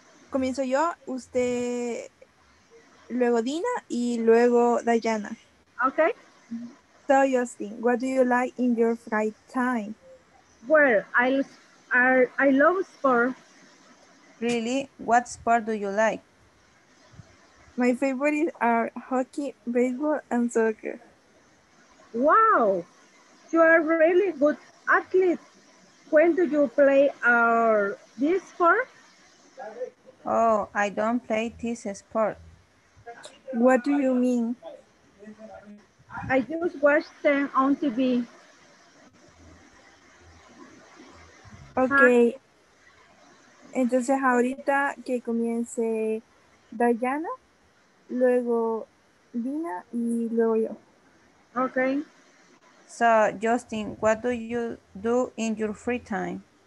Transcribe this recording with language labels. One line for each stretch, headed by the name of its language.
Spanish: Comienzo yo, usted, luego Dina y luego Dayana. Okay.
English: So, Justin, what do you like in your free time? Well, I love sport. Really? What sport do you like? My favorites are hockey, baseball, and soccer. Wow! You are really good athlete. When do you play this sport? Oh, I don't play this sport. What do you mean? I just watch them on TV. Okay.
Spanish: Entonces ahorita que comience Dayana, luego Dina y luego yo. Okay.
English: So, Justin, what do you do in your free time?